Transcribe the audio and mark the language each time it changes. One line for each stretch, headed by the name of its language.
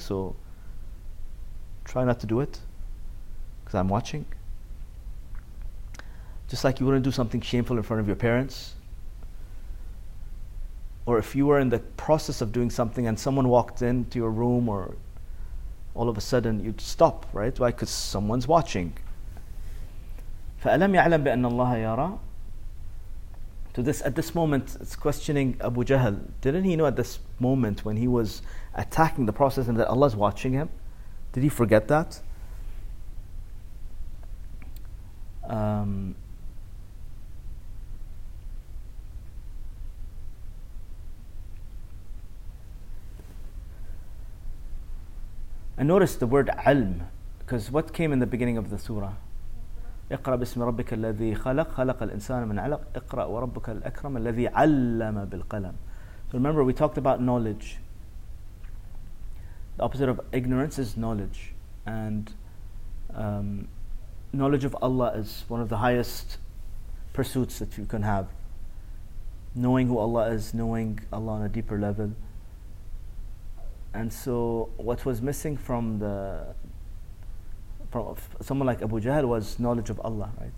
English: So try not to do it, because I'm watching. Just like you wouldn't do something shameful in front of your parents. Or if you were in the process of doing something and someone walked into your room, or all of a sudden you'd stop, right? Why? Because someone's watching.
Arabic: فَأَلَمْ يَعْلَمْ بِأَنَّ اللَّهَ يَرَى.
English: to this. At this moment, it's questioning Abu Jahl. Didn't he know at this moment when he was attacking the Prophet that Allah is watching him? Did he forget that? And notice the word ilm, because what came in the beginning of the surah?
Arabic: اقرأ باسم ربك الذي خلق خلق الإنسان من علق اقرأ وربك الأكرم الذي علم بالقلم.
English: So remember, we talked about knowledge. The opposite of ignorance is knowledge, and knowledge of Allah is one of the highest pursuits that you can have. Knowing who Allah is, knowing Allah on a deeper level. And so what was missing from the from someone like Abu Jahl was knowledge of Allah, right?